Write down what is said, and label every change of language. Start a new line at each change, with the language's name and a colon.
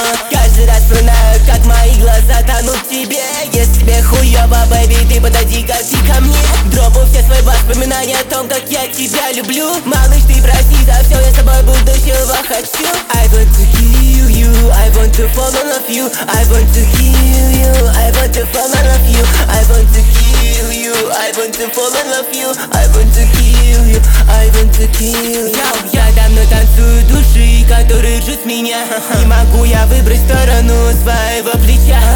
Russian: Каждый раз вспоминаю, как мои глаза тонут в тебе. Если тебе хуёво, бэйби, ты подойди как ты ко мне. Дропу все свои воспоминания о том, как я тебя люблю. Малыш, ты прости за все, я с тобой будущего хочу.
English: I want to heal you, I want to fall in love you. I want to heal you, I want to fall in love you. I want to heal you, I want to fall in love you. I want to heal you, I want to kill you.
Russian: Я давно танцую души, которые жжут меня. Не могу я выбрать сторону своего плеча.